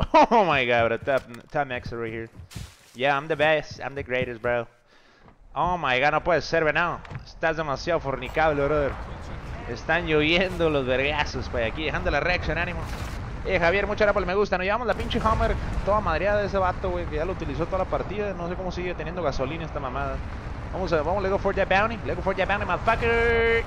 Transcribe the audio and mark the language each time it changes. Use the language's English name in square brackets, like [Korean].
[English] Oh my god, bro, top Mexican right here. Yeah, I'm the best, I'm the greatest, bro. Oh my god, [Spanish] no puedes ser, güey, no. Estás demasiado fornicable, brother. Están lloviendo los vergazos, güey, aquí, dejando la reacción, ánimo. Javier, mucha rapa, me gusta. Nos llevamos la pinche Hummer toda madreada de ese vato, güey, que ya lo utilizó toda la partida. No sé cómo sigue teniendo gasolina esta mamada. Vamos a ver, vamos, [English] Lego for that bounty. Lego for that bounty, motherfucker.